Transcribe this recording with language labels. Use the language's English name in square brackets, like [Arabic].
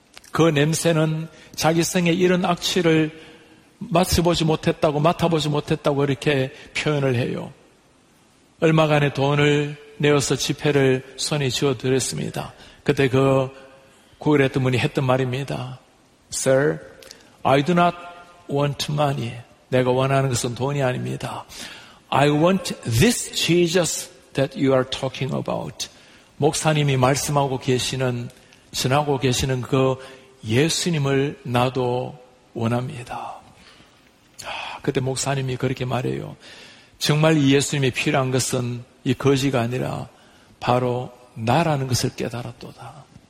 [Korean] 그 냄새는 자기 생에 이런 악취를 맡아보지 못했다고 이렇게 표현을 해요. 얼마간의 돈을 내어서 지폐를 손에 쥐어드렸습니다. 그때 그 구걸했던 분이 했던 말입니다. [English] Sir, I do not want money. [Korean] 내가 원하는 것은 돈이 아닙니다. [English] I want this Jesus that you are talking about. [Korean] 목사님이 말씀하고 계시는, 전하고 계시는 그 예수님을 나도 원합니다. 그때 목사님이 그렇게 말해요. 정말 이 예수님이 필요한 것은 이 거지가 아니라 바로 나라는 것을 깨달았도다.